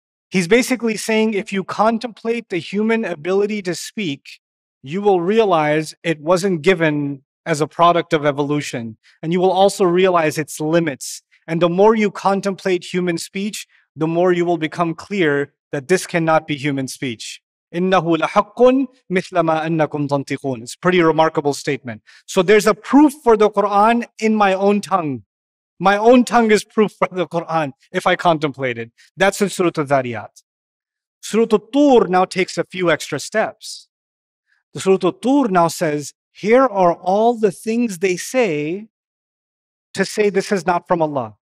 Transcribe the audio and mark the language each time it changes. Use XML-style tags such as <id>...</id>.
<en>He's basically saying, if you contemplate the human ability to speak, you will realize it wasn't given as a product of evolution. And you will also realize its limits. And the more you contemplate human speech, the more you will become clear that this cannot be human speech.</en> <ar>إِنَّهُ لَحَقٌّ مِثْلَ مَا أَنَّكُمْ تَنْطِقُونَ</ar> <en>It's a pretty remarkable statement. So there's a proof for the Qur'an in my own tongue. My own tongue is proof for the Qur'an if I contemplate it. That's in Surah Al-Dhariyat. Surah Al-Tur now takes a few extra steps. The Surah Al-Tur now says, here are all the things they say to say this is not from Allah.</en>